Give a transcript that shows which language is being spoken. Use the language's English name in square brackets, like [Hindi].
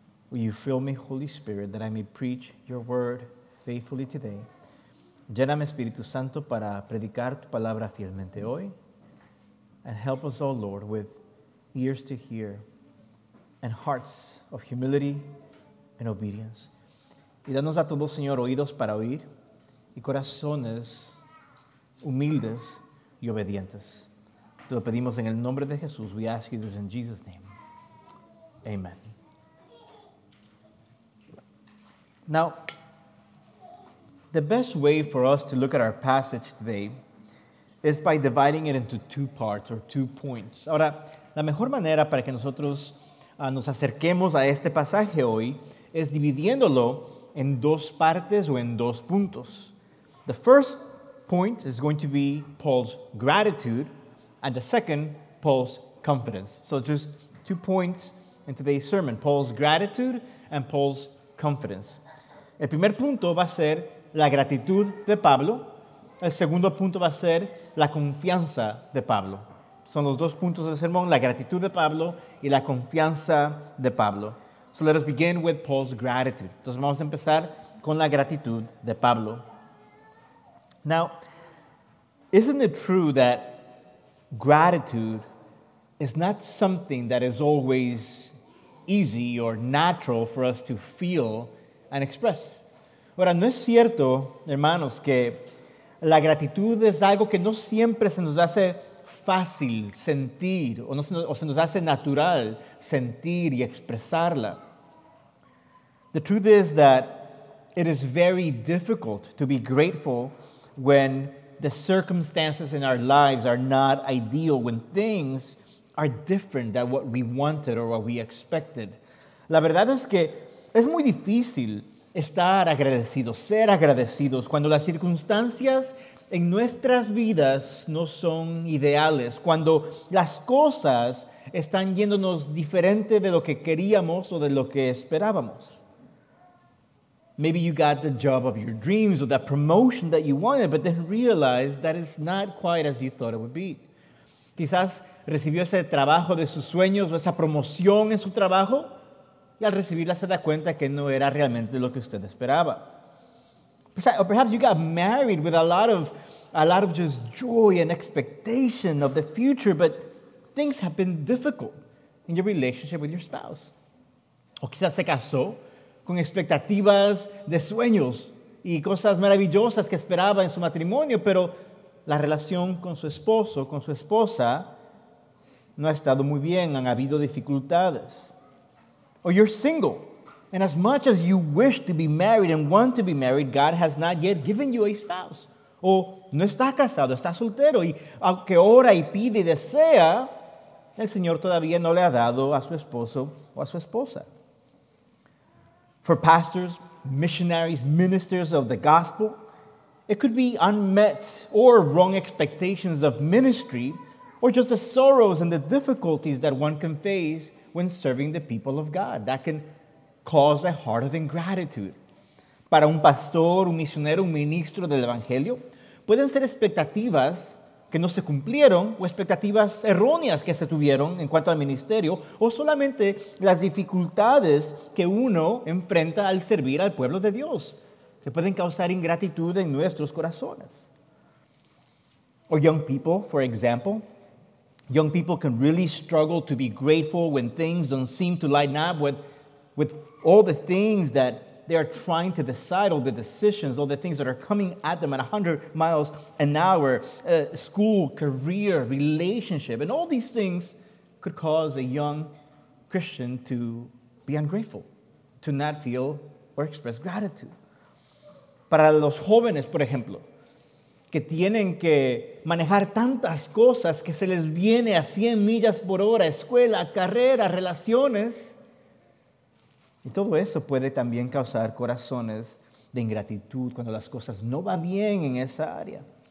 [English] Will you fill me, Holy Spirit, that I may preach your word faithfully today. [Spanish] Lléname, Espíritu Santo, para predicar tu palabra fielmente hoy. [English] And help us all, Lord, with ears to hear and hearts of humility and obedience. [Spanish] Y danos a todos, Señor, oídos para oír y corazones humildes y obedientes. Te lo pedimos en el nombre de Jesús. [English] We ask you this in Jesus' name. Amen. Now, the best way for us to look at our passage today es by dividing it into two parts or two points. [Spanish] Ahora, la mejor manera para que nosotros nos acerquemos a este pasaje hoy es dividiéndolo en dos partes o en dos puntos. [English] The first point is going to be Paul's gratitude, and the second, Paul's confidence. So just two points in today's sermon, Paul's gratitude and Paul's confidence. [Spanish] El primer punto va a ser la gratitud de Pablo. El segundo punto va a ser la confianza de Pablo. Son los dos puntos del sermón, la gratitud de Pablo y la confianza de Pablo. [English] So let us begin with Paul's gratitude. [Spanish] Entonces vamos a empezar con la gratitud de Pablo. [English] Now, isn't it true that gratitude is not something that is always easy or natural for us to feel and express? [Spanish] Ahora, no es cierto, hermanos, que la gratitud es algo que no siempre se nos hace fácil sentir o se nos hace natural sentir y expresarla. [English] The truth is that it is very difficult to be grateful when the circumstances in our lives are not ideal, when things are different than what we wanted or what we expected. [Spanish] La verdad es que es muy difícil estar agradecidos, ser agradecidos, cuando las circunstancias en nuestras vidas no son ideales, cuando las cosas están yéndonos diferente de lo que queríamos o de lo que esperábamos. [English] Maybe you got the job of your dreams or that promotion that you wanted, but then realized that it's not quite as you thought it would be. [Spanish] Quizás recibió ese trabajo de sus sueños o esa promoción en su trabajo, y al recibirla se da cuenta que no era realmente lo que usted esperaba. [English] Or perhaps you got married with a lot of just joy and expectation of the future, but things have been difficult in your relationship with your spouse. [Spanish] O quizás se casó con expectativas de sueños y cosas maravillosas que esperaba en su matrimonio, pero la relación con su esposo, con su esposa, no ha estado muy bien, han habido dificultades. [English] Or you're single, and as much as you wish to be married and want to be married, God has not yet given you a spouse. [Spanish] O no está casado, está soltero, y aunque ora y pide y desea, el Señor todavía no le ha dado a su esposo o a su esposa. [English] For pastors, missionaries, ministers of the gospel, it could be unmet or wrong expectations of ministry, or just the sorrows and the difficulties that one can face when serving the people of God. That can cause a heart of ingratitude. [Spanish] Para un pastor, un misionero, un ministro del evangelio, pueden ser expectativas que no se cumplieron o expectativas erróneas que se tuvieron en cuanto al ministerio o solamente las dificultades que uno enfrenta al servir al pueblo de Dios que pueden causar ingratitud en nuestros corazones. [English] Or young people, for example. Young people can really struggle to be grateful when things don't seem to line up with all the things that they are trying to decide, all the decisions, all the things that are coming at them at 100 miles an hour, school, career, relationship, and all these things could cause a young Christian to be ungrateful, to not feel or express gratitude. [Spanish] Para los jóvenes, por ejemplo, que tienen que manejar tantas cosas que se les viene a 100 millas por hora, escuela, carrera, relaciones. Y todo eso puede también causar corazones de ingratitud cuando las cosas no van bien en esa área.